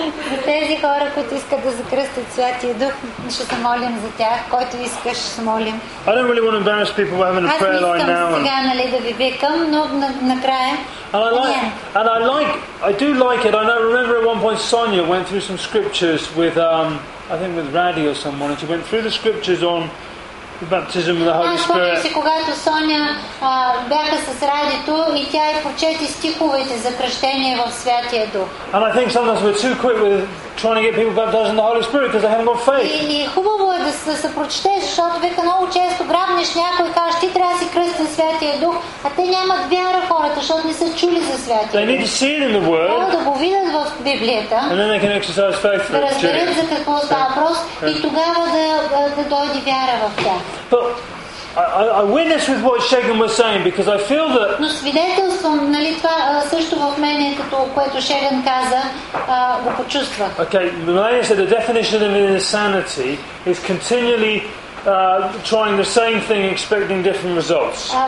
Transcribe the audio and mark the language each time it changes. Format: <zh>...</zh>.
<bg>За тези хора, които искат да закръстят Святия Дух, ще се молим за тях. Който иска, ще се молим.</bg> <en>I don't really want to embarrass people by having a prayer line now.</en> <bg>Аз не искам сега, нали, да ви викам, но накрая.</bg> <en>And I do like it. I know, remember at one point Sonia went through some scriptures with, I think with Raddy or someone, and she went through the scriptures on the baptism of the Holy Spirit.</en> <bg>Аз помня, когато Соня бяха с Радито и тя е прочете стиховете за кръщение в Святия Дух.</bg> <en>And I think sometimes we're too quick with trying to get people baptized in the Holy Spirit because they haven't got faith.</en> <bg>И хубаво е да се прочете, защото вика много често грабнеш някой и кажеш, ти трябва да си кръстен Святия Дух, а те нямат вяра хората, защото не са чули за Святия Дух.</bg> <en>They need to see it in the Word.</en> <bg>Трябва да го видят в Библията.</bg> <en>And then they can exercise faith.</en> <bg>Да разберем за какво става въпрос и тогава да дойде вяра в тях.</bg> <en>But I witness with what Shegan was saying because I feel that.</en> <bg>Но свидетелствам, нали, това също в мен е като което Шеган каза, го почувства.</bg> <en>Okay, Melania said the definition of insanity is continually trying the same thing expecting different results.</en>